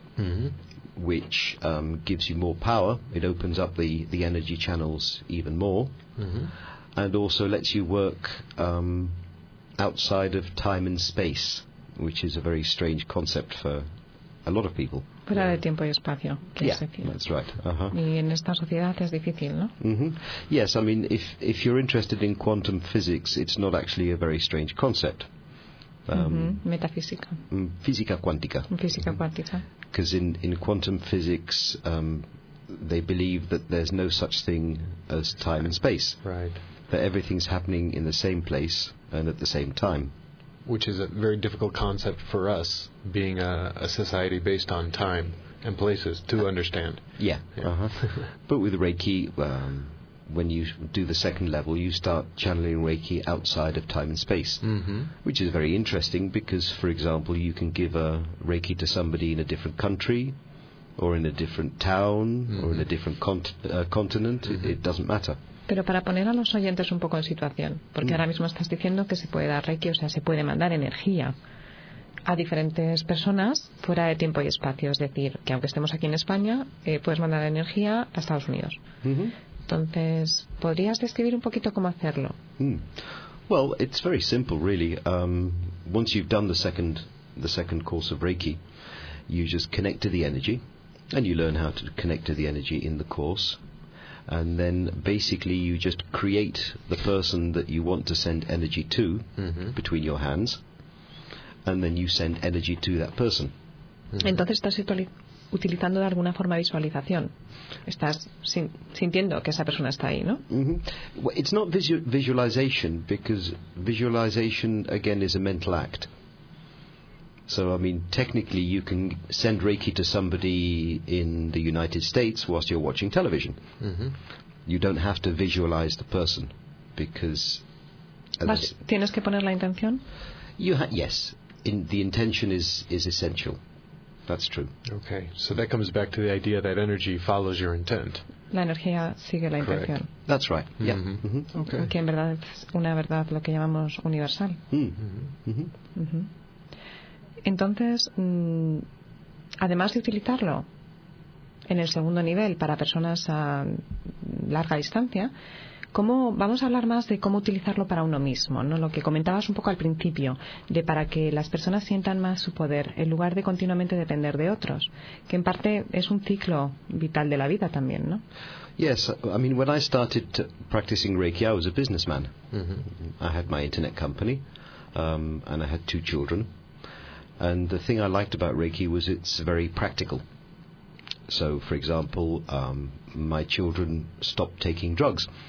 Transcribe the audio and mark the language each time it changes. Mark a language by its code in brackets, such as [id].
[en] mm-hmm. which gives you more power. It opens up the energy channels even more, mm-hmm. and also lets you work... outside of time and space, which is a very strange concept for a lot of people. [es] Fuera de tiempo y espacio, que [en] yeah, [es] es decir. [en] That's right. Uh-huh. [es] Y en esta sociedad es difícil, ¿no? Mm-hmm. [en] Yes, I mean, if you're interested in quantum physics, it's not actually a very strange concept. [es] Mm-hmm. Metafísica. Física cuántica. Física cuántica. [en] Because in quantum physics, they believe that there's no such thing as time and space. Right. That everything's happening in the same place and at the same time. Which is a very difficult concept for us, being a society based on time and places, to understand. Yeah. Yeah. Uh-huh. But with Reiki, when you do the second level, you start channeling Reiki outside of time and space. Mm-hmm. Which is very interesting because, for example, you can give a Reiki to somebody in a different country, or in a different town, mm-hmm. or in a different continent. Mm-hmm. It doesn't matter. [es] Pero para poner a los oyentes un poco en situación, porque ahora mismo estás diciendo que se puede dar Reiki, o sea, se puede mandar energía a diferentes personas fuera de tiempo y espacio. Es decir, que aunque estemos aquí en España, puedes mandar energía a Estados Unidos. Mm-hmm. Entonces, ¿podrías describir un poquito cómo hacerlo? [en] Well, it's very simple, really. Once you've done the second course of Reiki, you just connect to the energy, and you learn how to connect to the energy in the course. And then basically you just create the person that you want to send energy to mm-hmm. between your hands, and then you send energy to that person. Mm-hmm. [es] Entonces estás utilizando de alguna forma visualización. Estás sintiendo que esa persona está ahí, ¿no? Mm-hmm. [en] Well, it's not visualization, because visualization, again, is a mental act. So, I mean, technically you can send Reiki to somebody in the United States whilst you're watching television. Mm-hmm. You don't have to visualize the person, because... [es] ¿Tienes que poner la intención? [en] Yes. The intention is essential. That's true. Okay. So that comes back to the idea that energy follows your intent. [es] La energía sigue la intención. [en] Correct. That's right. Mm-hmm. Yeah. Mm-hmm. Okay. [es] Que en verdad es una verdad lo que llamamos universal. Mm-hmm. Mm-hmm. Mm-hmm. Entonces, además de utilizarlo en el segundo nivel para personas a larga distancia, ¿cómo vamos a hablar más de cómo utilizarlo para uno mismo, ¿no? Lo que comentabas un poco al principio, de para que las personas sientan más su poder, en lugar de continuamente depender de otros, que en parte es un ciclo vital de la vida también, ¿no? [en] Yes, I mean, when I started practicing Reiki, I was a businessman. Mm-hmm. I had my internet company, and I had two children. And the thing I liked about Reiki was it's very practical. So, for example, my children stopped taking drugs